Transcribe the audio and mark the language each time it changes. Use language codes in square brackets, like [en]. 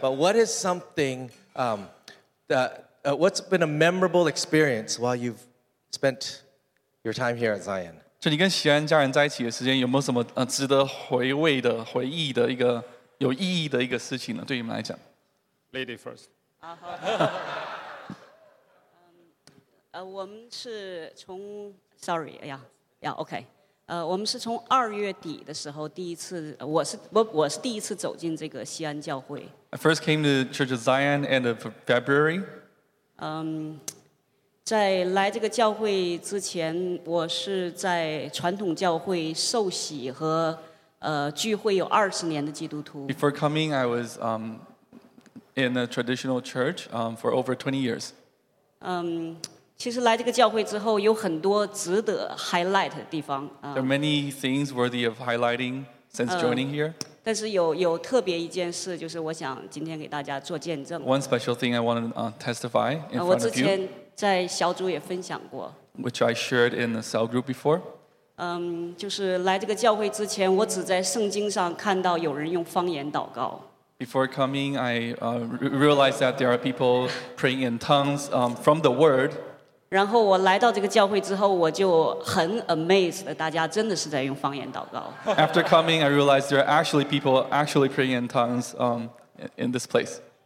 [en] But what is something, what's been a memorable experience while you've spent your time here at Zion? [zh] 就你跟锡安家人在一起的时间有没有什么 值得回味的回忆的一个 有意义的一个事情呢, 对你们来讲? [en] Lady first. [zh] 我们是从二月底的时候第一次走进这个西安教会。 [en] I first came to Church of Zion end of February. [zh] 在来这个教会之前, 我是在传统教会受洗和 [en] Before coming, I was in a traditional church for over 20 years. [zh] 其实来这个教会之后有很多值得 highlight的地方。 [en] There are many things worthy of highlighting since joining here. [zh] 但是有特别一件事就是我想今天给大家做见证。 [en] One special thing I want to testify in front of you. [zh] 我之前在小组也分享过。 [en] Which I shared in the cell group before. [zh] 就是来这个教会之前 我只在圣经上看到有人用方言祷告。 [en] Before coming, I realized that there are people praying in tongues from the word. [zh] 然后我来到这个教会之后 我就很 amazed 大家真的是在用方言祷告。 [en] After coming, I realized there are actually people actually praying in tongues in this place.